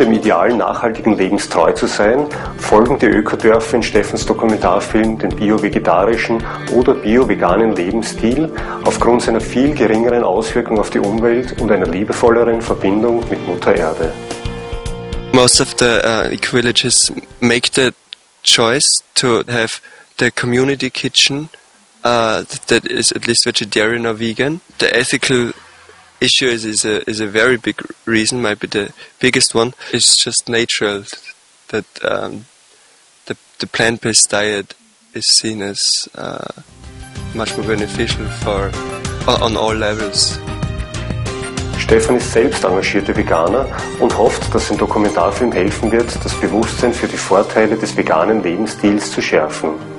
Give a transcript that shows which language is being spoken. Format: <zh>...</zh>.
<de>dem Ideal nachhaltigen Lebens treu zu sein, folgen die Ökodörfer in Steffens Dokumentarfilm den bio-vegetarischen oder bio-veganen Lebensstil aufgrund seiner viel geringeren Auswirkung auf die Umwelt und einer liebevolleren Verbindung mit Mutter Erde.</de> <en>Most of the eco-villages make the choice to have the community kitchen that is at least vegetarian or vegan. The ethical issue is a very big reason, might be the biggest one. It's just natural that the plant-based diet is seen as much more beneficial for on all levels.</en> <de>Stefan ist selbst engagierter Veganer und hofft, dass sein Dokumentarfilm helfen wird, das Bewusstsein für die Vorteile des veganen Lebensstils zu schärfen.</de>